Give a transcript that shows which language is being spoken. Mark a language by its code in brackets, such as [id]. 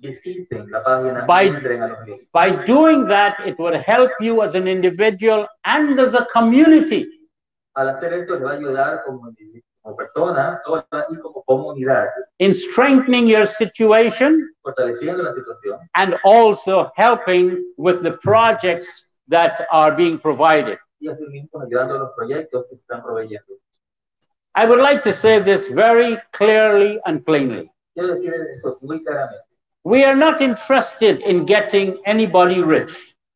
[es] Visiten la página by, entren a los links. [en] By doing that, it will help you as an individual and as a community. [es] Al hacer esto, le va a ayudar como persona, sola y como comunidad. [en] In strengthening your situation, [es] fortaleciendo la situación, [en] and also helping with the projects that are being provided. I would like to say this very clearly and plainly. We are not interested in getting anybody rich.